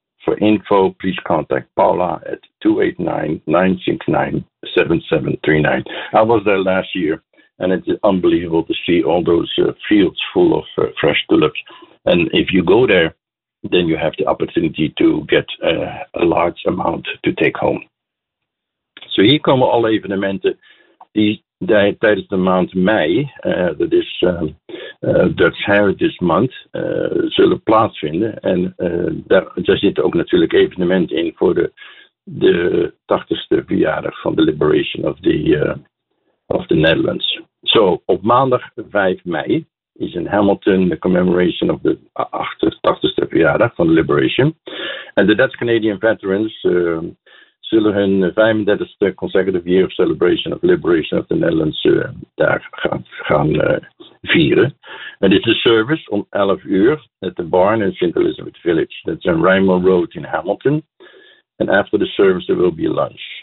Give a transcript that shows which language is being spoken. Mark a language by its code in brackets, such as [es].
[en] For info, please contact Paula at 289-969-7739. I was there last year, and it's unbelievable to see all those fields full of fresh tulips. And if you go there, then you have the opportunity to get a large amount to take home. [nl] So hier komen alle evenementen die tijdens de maand mei, dat is Dutch Heritage Month, zullen plaatsvinden. En daar zitten ook natuurlijk evenementen in voor de 80ste verjaardag van de Liberation of the Netherlands. Zo, op maandag 5 mei is in Hamilton de [en] commemoration of [nl] de 80ste verjaardag van de Liberation. En de Dutch Canadian Veterans zullen hun 35e [en] consecutive year of celebration of liberation of the Netherlands [nl] daar gaan vieren. En dit is een service om 11 uur [en] at the barn in St. [nl] Elizabeth Village. Dat is in Rymer Road in Hamilton. [en] And after the service there will be lunch.